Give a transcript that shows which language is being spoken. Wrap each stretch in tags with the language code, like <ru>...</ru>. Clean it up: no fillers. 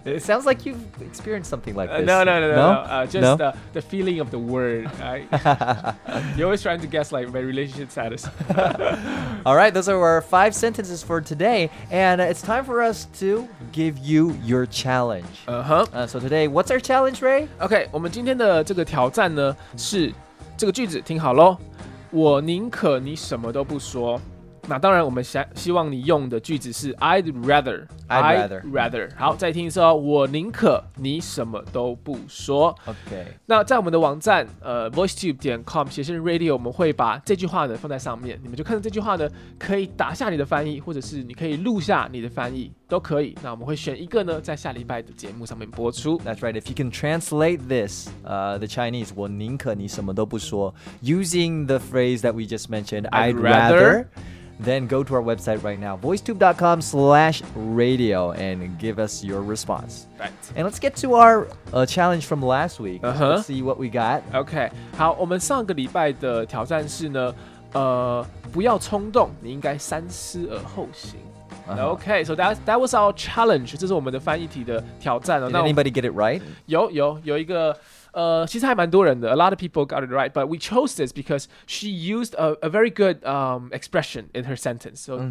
<en>It sounds like you've experienced something like this. No? Just the feeling of the word, right? You're always trying to guess like my relationship status. All right, those are our five sentences for today, and it's time for us to give you your challenge. So today, what's our challenge, Ray?</en> <zh>Okay, 我们今天的这个挑战呢, 是这个句子, 听好咯, 我宁可你什么都不说, 那当然我们希望你用的句子是</zh> <en>I'd rather</en> <zh>好,再听一次哦 我宁可你什么都不说</zh> <en>OK</en> <zh>那在我们的网站 voicetube.com 写信radio 我们会把这句话呢放在上面 你们就看到这句话呢 可以打下你的翻译 或者是你可以录下你的翻译 都可以 那我们会选一个呢 在下礼拜的节目上面播出</zh> <en>That's right If you can translate this the Chinese</en> <zh>我宁可你什么都不说</zh> <en>Using the phrase that we just mentioned I'd rather Then go to our website right now, voicetube.com/radio, and give us your response. Right. And let's get to our challenge from last week. Uh-huh. Let's see what we got. Okay.</en> <zh>好,我们上个礼拜的挑战是呢, 不要冲动,你应该三思而后行。</zh> <en>Uh-huh. Okay, so that was our challenge.</en> <zh>这是我们的翻译题的挑战哦。</zh> <en>Did anybody get it right?</en> <zh>有一个... 其实还蛮多人的</zh> <en>A lot of people got it right But we chose this because She used a very good expression in her sentence So mm-hmm.</en>